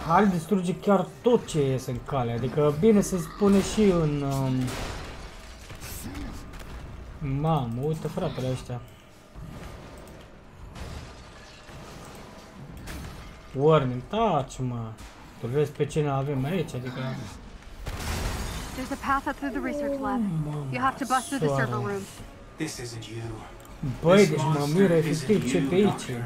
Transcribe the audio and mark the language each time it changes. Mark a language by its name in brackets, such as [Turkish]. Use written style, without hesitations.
[Romanian] Hal distruge chiar tot ce iese în cale. Adică, bine se spune și în... Mamă, uite, fratele ăștia. Warning, taci, mă. Tu vezi pe cine avem aici, adică... [English] There's a path up through the research lab. You have to bust through the server room. This isn't you. [Romanian] Băi, deci mă miră efectiv ce pe aici.